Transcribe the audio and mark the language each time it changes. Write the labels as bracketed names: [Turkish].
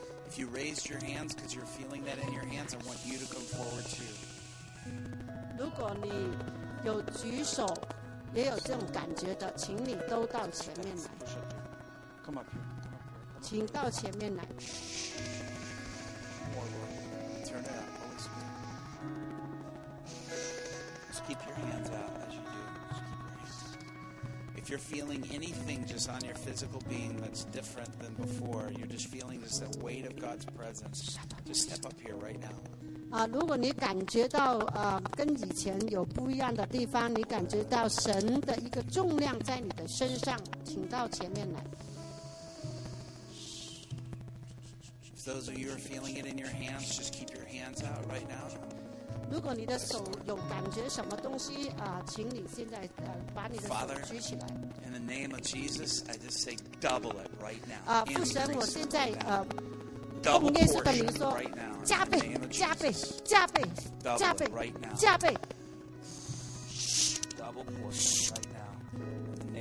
[English] If you raise your hands because you're feeling that in your hands, I want you to come forward too. [Chinese] 如果你有举手，也有这种感觉的，请你都到前面来。 [English] Come up here. [Chinese] 请到前面来。 [English] More work. Turn it up, Holy Spirit. Just keep your hands out as you do. Just keep your hands. If you're feeling anything just on your physical being that's different than before, you're just feeling just that weight of God's presence. Just step up here right now. [Chinese] 如果你感觉到跟以前有不一样的地方，你感觉到神的一个重量在你的身上，请到前面来。 [English] Those of you who are feeling it in your hands, just keep your hands out right now. [Chinese] 如果你的手有感觉什么东西请你现在把你的手举起来。 [English] Father, in the name of Jesus, I just say double it right now. [Chinese] 父神，我现在奉耶稣的名说，加倍，加倍，加倍，加倍，加倍。 [English] Double portion right now. In the name of Jesus.